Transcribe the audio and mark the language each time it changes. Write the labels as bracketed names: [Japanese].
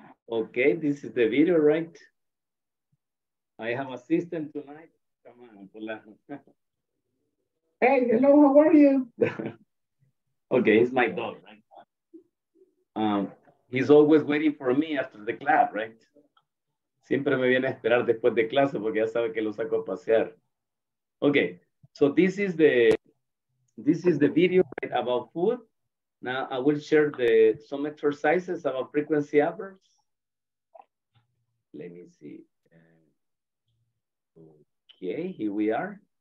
[English] Okay, this is the video, right? I have assistant tonight. Come on, hola. Hey, hello, how are you? Okay, it's my dog, right? He's always waiting for me after the class, right? [Spanish] Siempre me viene a esperar después de clase porque ya sabe que lo saco a pasear. [English] Okay, so this is the video, right, about food. Now I will share some exercises about frequency adverbs. Let me see. Okay, here we are.